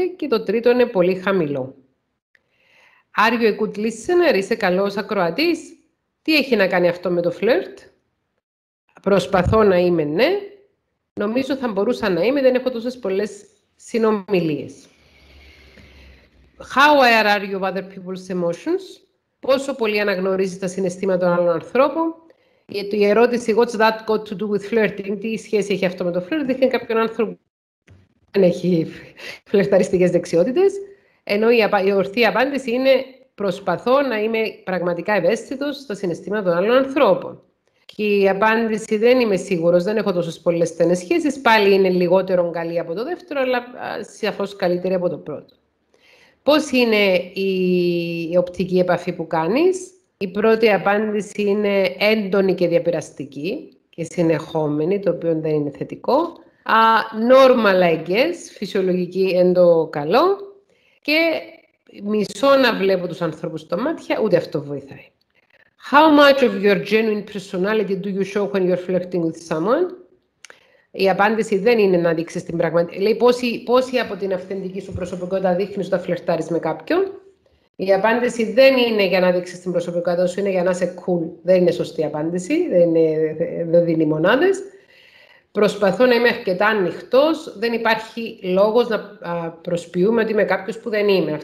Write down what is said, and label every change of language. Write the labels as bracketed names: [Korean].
[Greek] Και το τρίτο είναι πολύ χαμηλό. [English] Are you a good listener? [Greek] Είσαι καλός ακροατής? Τι έχει να κάνει αυτό με το φλερτ? Προσπαθώ να είμαι, ναι. Νομίζω θα μπορούσα να είμαι, δεν έχω τόσες πολλές συνομιλίες. [English] How aware are you of other people's emotions? [Greek] Πόσο πολύ αναγνωρίζεις τα συναισθήματα των άλλων ανθρώπων? Η ερώτηση [English] What's that got to do with flirting? [Greek] Τι σχέση έχει αυτό με το φλερτ? Δείχνει κάποιον άνθρωπο που δεν έχει φλερταριστικές δεξιότητες. Ενώ η ορθή απάντηση είναι προσπαθώ να είμαι πραγματικά ευαίσθητος στα συναισθήματα των άλλων ανθρώπων. Και η απάντηση δεν είμαι σίγουρος, δεν έχω τόσες πολλές στενές σχέσεις. Πάλι είναι λιγότερο καλή από το δεύτερο, αλλά σαφώς καλύτερη από το πρώτο. Πώς είναι η οπτική επαφή που κάνεις? Η πρώτη απάντηση είναι έντονη και διαπεραστική και συνεχόμενη, το οποίο δεν είναι θετικό. [English] Normal, I guess, [Greek] φυσιολογική εν το καλό. Και μισώ να βλέπω τους ανθρώπους στα μάτια, ούτε αυτό βοηθάει. [English] How much of your genuine personality do you show when you're flirting with someone? [Greek] Η απάντηση δεν είναι να δείξεις την πραγματική. Λέει πόση από την αυθεντική σου προσωπικότητα δείχνεις όταν φλερτάρεις με κάποιον. Η απάντηση δεν είναι για να δείξεις την προσωπικότητα σου, είναι για να είσαι cool. Δεν είναι σωστή απάντηση, δεν δίνει μονάδες. Προσπαθώ να είμαι αρκετά ανοιχτός. Δεν υπάρχει λόγος να προσποιούμε ότι είμαι κάποιος που δεν είμαι.